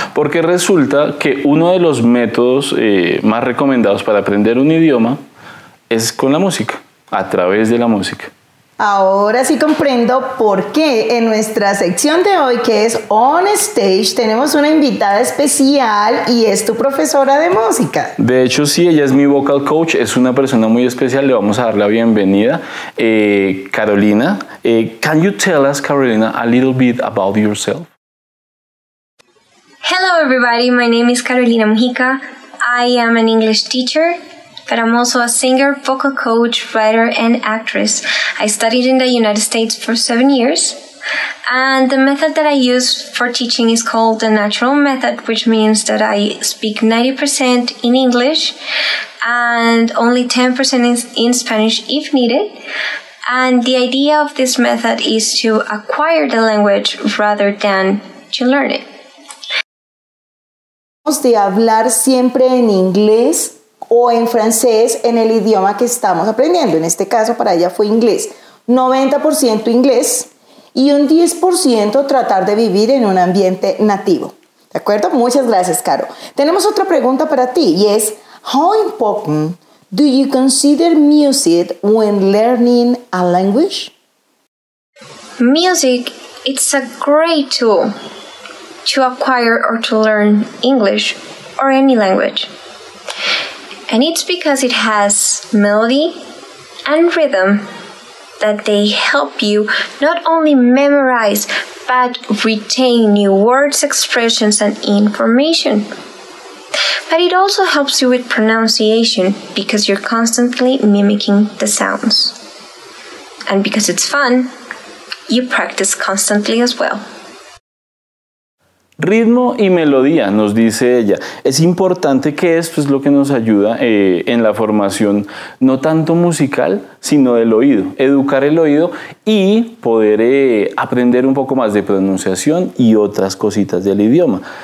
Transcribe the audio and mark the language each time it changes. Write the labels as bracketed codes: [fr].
[es] Porque resulta que uno de los métodos más recomendados para aprender un idioma es con la música, a través de la música. Ahora sí comprendo por qué en nuestra sección de hoy, que es On Stage, tenemos una invitada especial y es tu profesora de música. De hecho, sí, ella es mi vocal coach, es una persona muy especial. Le vamos a dar la bienvenida, Carolina. [en] Can you tell us, Carolina, a little bit about yourself? Hello, everybody. My name is Carolina Mujica. I am an English teacher, but I'm also a singer, vocal coach, writer, and actress. I studied in the United States for 7 years, and the method that I use for teaching is called the natural method, which means that I speak 90% in English and only 10% in Spanish if needed. And the idea of this method is to acquire the language rather than to learn it. [es] De hablar siempre en inglés o en francés, en el idioma que estamos aprendiendo. En este caso, para ella fue inglés. 90% inglés y un 10% tratar de vivir en un ambiente nativo. ¿De acuerdo? Muchas gracias, Caro. Tenemos otra pregunta para ti y es: [en] How important do you consider music when learning a language? Music, it's a great tool to acquire or to learn English or any language. And it's because it has melody and rhythm that they help you not only memorize, but retain new words, expressions, and information. But it also helps you with pronunciation because you're constantly mimicking the sounds. And because it's fun, you practice constantly as well. [es] Ritmo y melodía, nos dice ella. Es importante que esto es lo que nos ayuda en la formación, no tanto musical, sino del oído. Educar el oído y poder aprender un poco más de pronunciación y otras cositas del idioma.